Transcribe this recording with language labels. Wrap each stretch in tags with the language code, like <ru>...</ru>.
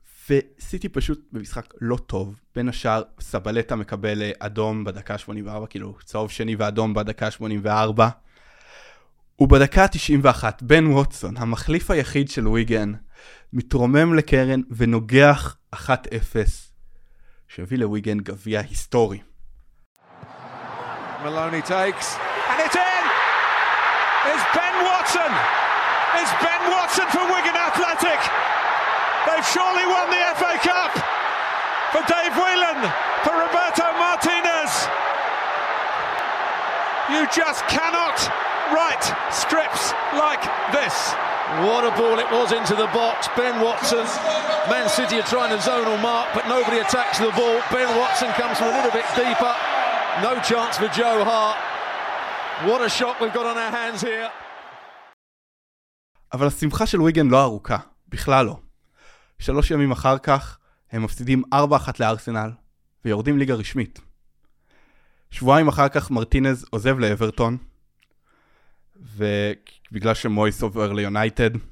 <he>וסיטי פשוט במשחק לא טוב. בין השאר, סבלטה מקבל אדום בדקה 84, כאילו צהוב שני ואדום בדקה 84. ובדקה 91, בן ווטסון, המחליף היחיד של וויגן, מתרומם לקרן ונוגח 1-0, שהביא לוויגן גביע היסטורי.</he> <en>מלוני טייקס, and it's in! It's Ben Watson! It's Ben Watson for Wigan Athletic! They've surely won the FA Cup for Dave Whelan, for Roberto Martinez. You just cannot write scripts like this. What a ball it was into the box. Ben Watson, Man City are trying to zonal mark, but nobody attacks the ball. Ben Watson comes from a little bit deeper. No chance for Joe Hart. What a shot we've got on our hands here.</en> <he>אבל השמחה של וויגן לא ארוכה, בכלל לא. שלוש ימים אחר כך, הם מפסידים 4-1 לארסנל, ויורדים ליגה רשמית. שבועיים אחר כך, מרטינז עוזב לאברטון, ובגלל שמויס עובר ליונייטד.</he>